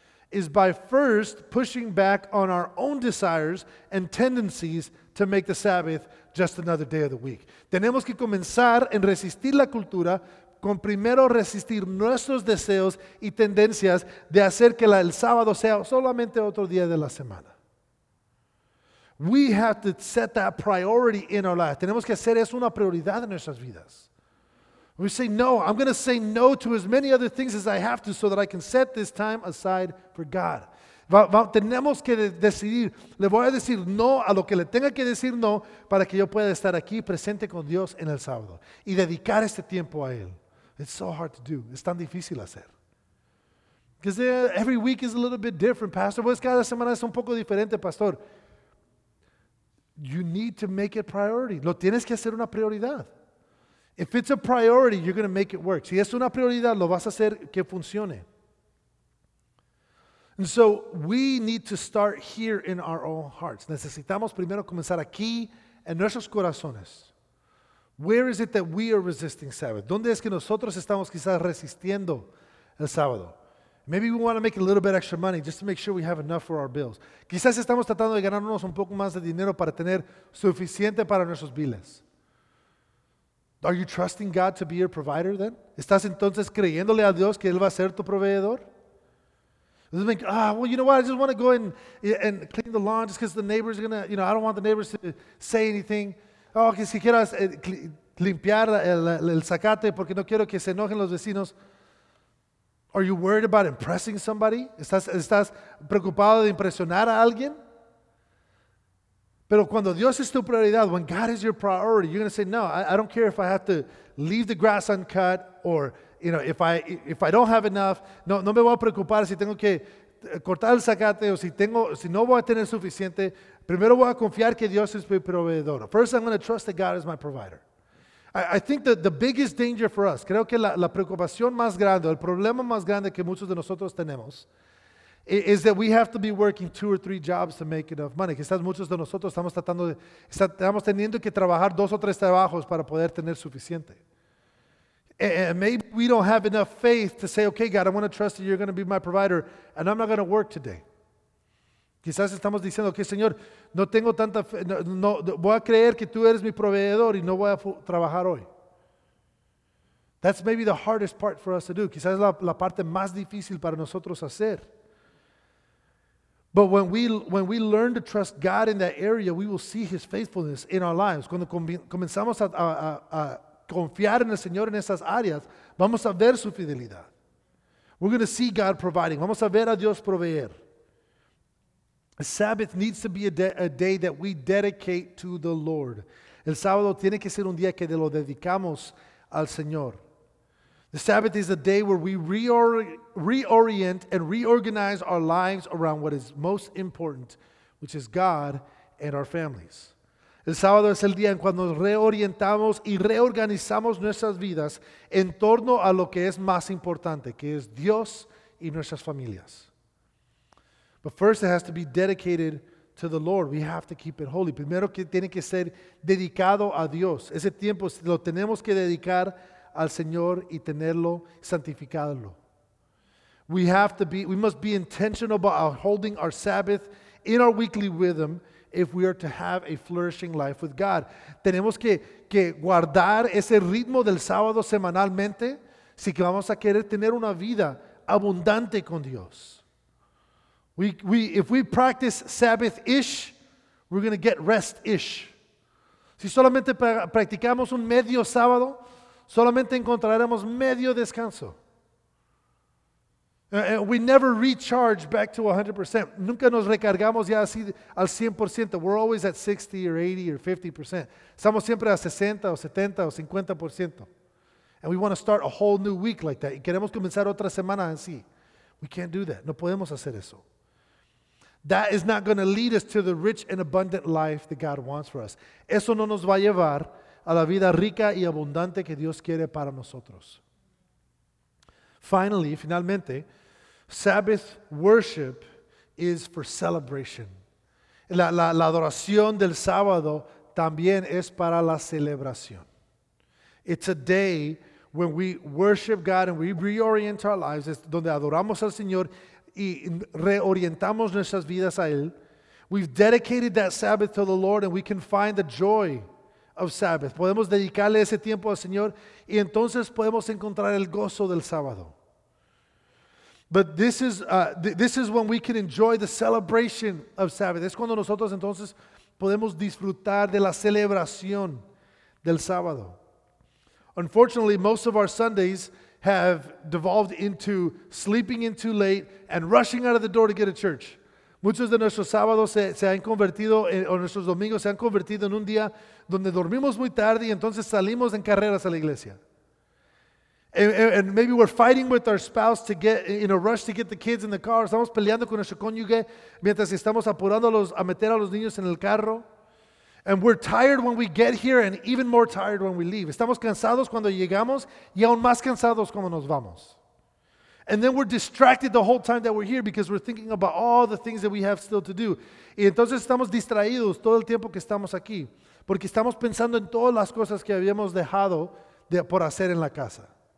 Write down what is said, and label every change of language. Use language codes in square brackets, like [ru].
[en] is by first pushing back on our own desires and tendencies to make the Sabbath just another day of the week. [es] Tenemos que comenzar en resistir la cultura con primero resistir nuestros deseos y tendencias de hacer que el sábado sea solamente otro día de la semana. [en] We have to set that priority in our lives. [es] Tenemos que hacer eso una prioridad en nuestras vidas. [en] We say, no, I'm going to say no to as many other things as I have to so that I can set this time aside for God. [es] Tenemos que decidir, le voy a decir no a lo que le tenga que decir no para que yo pueda estar aquí presente con Dios en el sábado y dedicar este tiempo a Él. [en] It's so hard to do. [es] Es tan difícil hacer. [en] Because every week is a little bit different, Pastor. [es] Pues cada semana es un poco diferente, Pastor. [en] You need to make it a priority. [es] Lo tienes que hacer una prioridad. [en] If it's a priority, you're going to make it work. [es] Si es una prioridad, lo vas a hacer que funcione. [en] And so we need to start here in our own hearts. [es] Necesitamos primero comenzar aquí en nuestros corazones. [en] Where is it that we are resisting Sabbath? [es] ¿Dónde es que nosotros estamos quizás resistiendo el sábado? [en] Maybe we want to make a little bit extra money just to make sure we have enough for our bills. [es] Quizás estamos tratando de ganarnos un poco más de dinero para tener suficiente para nuestros biles. [en] Are you trusting God to be your provider then? [es] ¿Estás entonces creyéndole a Dios que Él va a ser tu proveedor? [en] Does it make, well, you know what, I just want to go and clean the lawn just because the neighbor's going to, you know, I don't want the neighbors to say anything. [es] Oh, que si quieras limpiar el zacate porque no quiero que se enojen los vecinos. [en] Are you worried about impressing somebody? [es] ¿Estás preocupado de impresionar a alguien? Pero cuando Dios es tu prioridad, [en] when God is your priority, you're going to say, no, I don't care if I have to leave the grass uncut or, you know, if I don't have enough, [es] no me voy a preocupar si tengo que cortar el zacate o si no voy a tener suficiente. Primero voy a confiar que Dios es mi proveedor. [en] First, I'm going to trust that God is my provider. I think that the biggest danger for us, [es] creo que la preocupación más grande, el problema más grande que muchos de nosotros tenemos, [en] is that we have to be working two or three jobs to make enough money. [es] Quizás muchos de nosotros estamos teniendo que trabajar dos o tres trabajos para poder tener suficiente. [en] And maybe we don't have enough faith to say, okay, God, I want to trust that you're going to be my provider and I'm not going to work today. [es] Quizás estamos diciendo, okay, Señor, no tengo tanta fe, no voy a creer que tú eres mi proveedor y no voy a trabajar hoy. [en] That's maybe the hardest part for us to do. [es] Quizás la parte más difícil para nosotros hacer. [en] But when we learn to trust God in that area, we will see His faithfulness in our lives. [es] Cuando comenzamos a confiar en el Señor en esas áreas, vamos a ver su fidelidad. [en] We're going to see God providing. [es] Vamos a ver a Dios proveer. [en] A Sabbath needs to be a day that we dedicate to the Lord. [es] El sábado tiene que ser un día que lo dedicamos al Señor. [en] The Sabbath is a day where we reorient and reorganize our lives around what is most important, which is God and our families. [es] El sábado es el día en cuando reorientamos y reorganizamos nuestras vidas en torno a lo que es más importante, que es Dios y nuestras familias. [en] But first it has to be dedicated to the Lord. We have to keep it holy. [es] Primero que tiene que ser dedicado a Dios. Ese tiempo lo tenemos que dedicar al Señor y tenerlo santificado. [en] We must be intentional about holding our Sabbath in our weekly rhythm if we are to have a flourishing life with God. [es] Tenemos que guardar ese ritmo del sábado semanalmente si que vamos a querer tener una vida abundante con Dios. [en] If we practice Sabbath-ish, we're going to get rest-ish. [es] Si solamente practicamos un medio sábado, solamente encontraremos medio descanso. [en] We never recharge back to 100%. [es] Nunca nos recargamos ya así al 100%. [en] We're always at 60 or 80 or 50%. [es] Estamos siempre a 60 o 70 o 50%. [en] And we want to start a whole new week like that. [es] Y queremos comenzar otra semana así. [en] We can't do that. [es] No podemos hacer eso. [en] That is not going to lead us to the rich and abundant life that God wants for us. [es] Eso no nos va a llevar a la vida rica y abundante que Dios quiere para nosotros. [en] Finalmente, Sabbath worship is for celebration. [es] La adoración del sábado también es para la celebración. [en] It's a day when we worship God and we reorient our lives, es [es] donde adoramos al Señor y reorientamos nuestras vidas a Él. [en] We've dedicated that Sabbath to the Lord and we can find the joy of Sabbath. [es] Podemos dedicarle ese tiempo al Señor y entonces podemos encontrar el gozo del sábado. [en] But this is when we can enjoy the celebration of Sabbath. [es] Es cuando nosotros entonces podemos disfrutar de la celebración del sábado. [en] Unfortunately, most of our Sundays have devolved into sleeping in too late and rushing out of the door to get to church. [es] Muchos de nuestros sábados se han convertido, o nuestros domingos se han convertido en un día donde dormimos muy tarde y entonces salimos en carreras a la iglesia. [en] And maybe we're fighting with our spouse to get in a rush to get the kids in the car. [es] Estamos peleando con nuestro cónyuge mientras estamos apurando a meter a los niños en el carro. [en] And we're tired when we get here and even more tired when we leave. [es] Estamos cansados cuando llegamos y aún más cansados cuando nos vamos. [en] And then we're distracted the whole time that we're here because we're thinking about all the things that we have still to do. [es] Y entonces estamos distraídos todo el tiempo que estamos aquí porque estamos pensando en todas las cosas que habíamos dejado por hacer en la casa.